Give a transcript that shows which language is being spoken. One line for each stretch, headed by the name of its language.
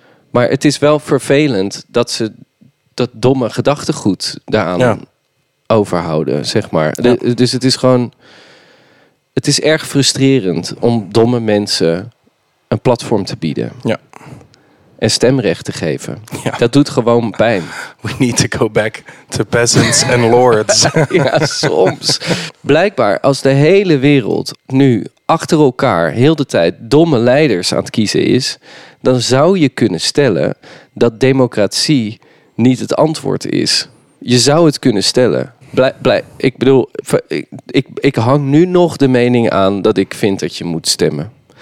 Dutch: Maar het is wel vervelend dat ze dat domme gedachtegoed daaraan overhouden, zeg maar. Ja. Dus het is gewoon... Het is erg frustrerend om domme mensen een platform te bieden. Ja. En stemrecht te geven. Ja. Dat doet gewoon pijn.
English: We need to go back to peasants and lords.
Dutch: Ja, soms. Blijkbaar, als de hele wereld nu achter elkaar heel de tijd domme leiders aan het kiezen is... dan zou je kunnen stellen dat democratie niet het antwoord is. Je zou het kunnen stellen... Ik bedoel, ik hang nu nog de mening aan dat ik vind dat je moet stemmen.